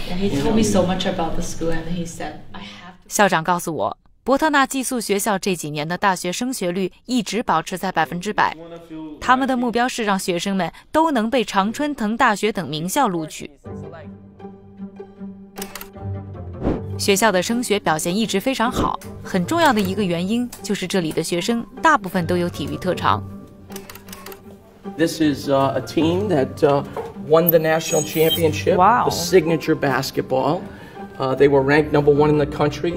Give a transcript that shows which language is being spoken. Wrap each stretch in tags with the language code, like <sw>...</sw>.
<en>Yeah, he told me so much about the school, and he said I have.</en> <zh>校长告诉我，伯特纳寄宿学校这几年的大学升学率一直保持在100%。他们的目标是让学生们都能被常春藤大学等名校录取。学校的升学表现一直非常好，很重要的一个原因就是这里的学生大部分都有体育特长。</zh> <en>This is a team that won the national championship. Wow. The signature basketball. They were ranked number one in the country.</en>